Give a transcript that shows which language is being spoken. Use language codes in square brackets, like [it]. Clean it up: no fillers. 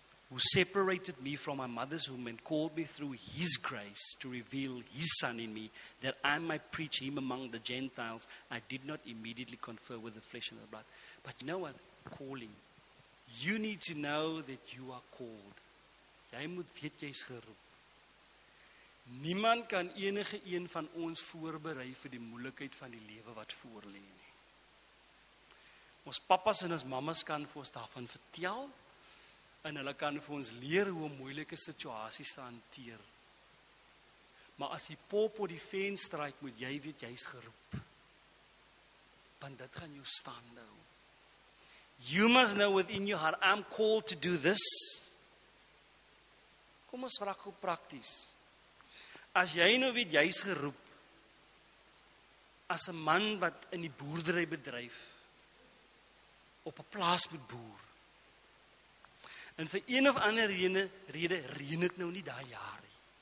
[en] who separated me from my mother's womb and called me through his grace to reveal his son in me, that I might preach him among the Gentiles. I did not immediately confer with the flesh and the blood. But you know what? Calling. You need to know that you are called. [af] Jy moet weet jy is geroep. Niemand kan enige een van ons voorberei vir die moeilikheid van die lewe wat voor lê nie. Ons papas en ons mamas kan vir ons daarvan vertel, en hulle kan vir ons leer hoe om moeilike situasies te hanteer. Maar as die pop op die venster raak, moet jy weet jy is geroep. Want dit gaan jou stand hou. [en] You must know within your heart, I'm called to do this. [af] Kom ons raak gou prakties. As jy nou weet jy is geroep, as 'n man wat in die boerdery bedryf, op 'n plaas moet boer, en vir een of ander rede reën dit nou nie daai jaar nie.